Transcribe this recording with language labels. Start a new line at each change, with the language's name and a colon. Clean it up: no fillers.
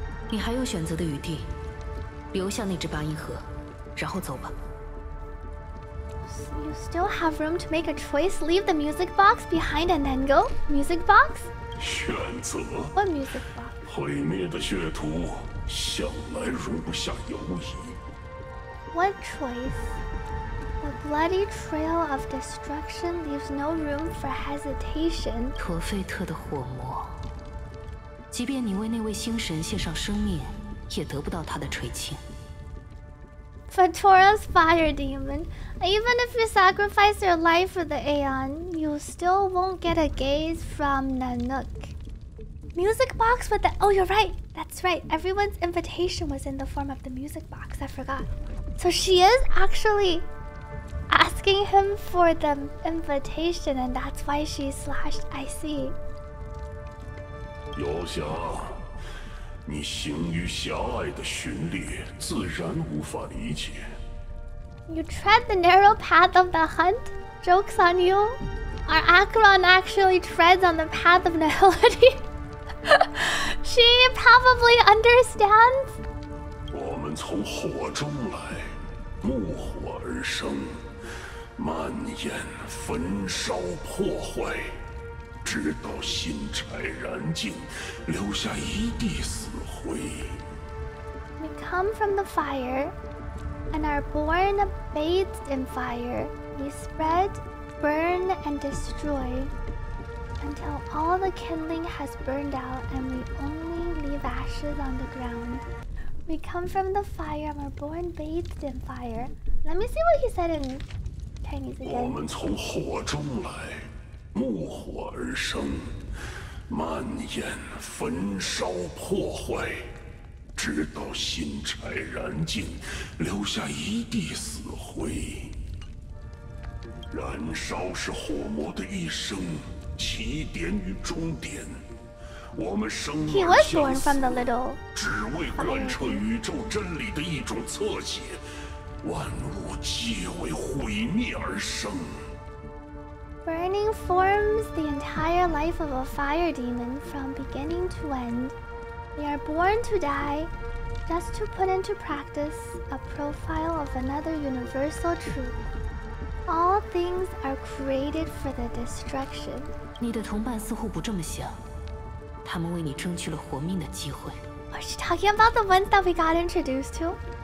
Chinese: 你还有选择的余地，留下那只八音盒，然后走吧。
English: You still have room to make a choice? Leave the music box behind and then go? Music box?
Chinese: 选择?
English: What music box?
Chinese: 毁灭的血徒向来如不下犹疑。
English: What choice? The bloody trail of destruction leaves no room for hesitation.
Chinese: 陀费特的火魔，即便你为那位星神献上生命，也得不到他的垂青。
English: Fatora's fire demon, even if you sacrifice your life for the Aeon, you still won't get a gaze from Nanook. Music box with the- Oh, you're right! That's right, everyone's invitation was in the form of the music box, I forgot. So she is actually asking him for the invitation, and that's why she slashed, I see. Yosha.
Chinese: 你行于狭隘的巡猎，自然无法理解。
English: You tread the narrow path of the hunt? Joke's on you. Our acheron actually treads on the path of nihility. She probably understands.
Chinese: 我们从火中来，怒火而生，蔓延，焚烧，破坏。直到心柴燃尽，留下一地死灰。
English: We come from the fire, and are born bathed in fire. We spread, burn, and destroy until all the kindling has burned out, and we only leave ashes on the ground. We come from the fire, and are born bathed in fire. Let me see what he said in Chinese again.
Chinese: 我们从火中来。怒火而生，蔓延，焚烧，破坏，直到心柴燃尽，留下一地死灰。燃烧是火魔的一生，起点与终点。我们生而相死，只为贯彻宇宙真理的一种侧写。万物皆为毁灭而生。
English: Burning forms the entire life of a fire demon from beginning to end. They are born to die, just to put into practice a profile of another universal truth. All things are created for the destruction.
Chinese: 你的同伴似乎不这么想，他们为你争取了活命的机会。
English: Are you talking about the ones that we got introduced to?